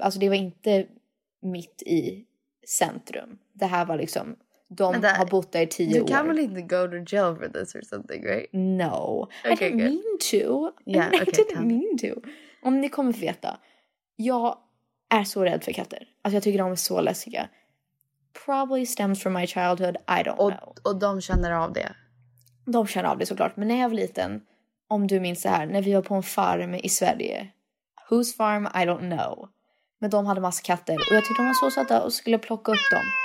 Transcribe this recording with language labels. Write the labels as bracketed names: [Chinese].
[Swedish] Alltså det var inte mitt i centrum. Det här var liksom, de that, har bott där i 10 år. Du kan väl inte [English] go to jail for this or something, right? No. Okay, I didn't mean to. Yeah, okay, I didn't mean to. [Swedish] Om ni kommer att veta, jag är så rädd för katter. Alltså jag tycker de är så läskiga. [English] Probably stems from my childhood, I don't know. [Swedish] Och de känner av det? De känner av det såklart. Men när jag var liten, om du minns det här, när vi var på en farm i Sverige. [English] Whose farm, I don't know. [Swedish] Men de hade massa katter. Och jag tyckte de var så söta och skulle plocka upp dem.